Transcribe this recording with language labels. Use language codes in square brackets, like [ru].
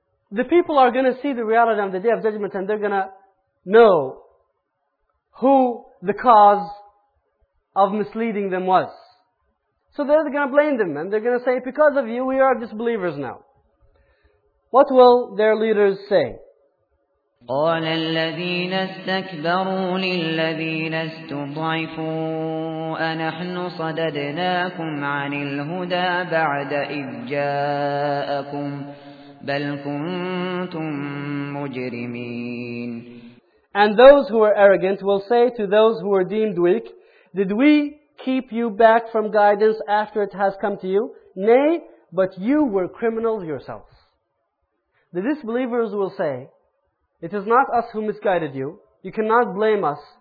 [en] The people are going to see the reality on the Day of Judgment, and they're going to know who the cause of misleading them was. So they're going to blame them, and they're going to say, because of you, we are disbelievers now. What will their leaders say? [ar] قال الذين استكبروا للذين استضعفوا أنحن صددناكم عن الهدى بعد إذ جاءكم بل كنتم مجرمين. [en] And those who are arrogant will say to those who are deemed weak, did we keep you back from guidance after it has come to you? Nay, but you were criminals yourselves. The disbelievers will say, it is not us who misguided you. You cannot blame us.